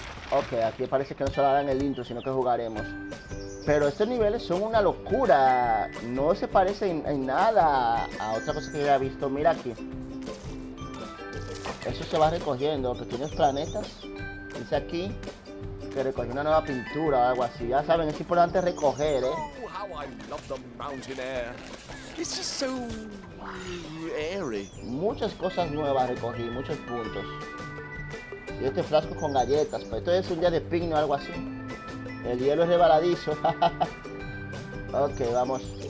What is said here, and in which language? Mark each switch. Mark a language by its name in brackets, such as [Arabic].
[Spanish] Okay, aquí parece que no solo harán el intro, sino que jugaremos. Pero estos niveles son una locura. No se parecen en nada a otra cosa que haya visto. Mira aquí. Eso se va recogiendo. Pequeños planetas. Dice aquí. que recoger una nueva pintura o algo así. Ya saben, es importante recoger, ¿eh? [English] Oh, how I love the mountain air. It's just so airy. [Spanish] Muchas cosas nuevas recogí, muchos puntos. Y este frasco con galletas, pero esto es un día de picnic o algo así. El hielo es rebaladizo. Ok, vamos.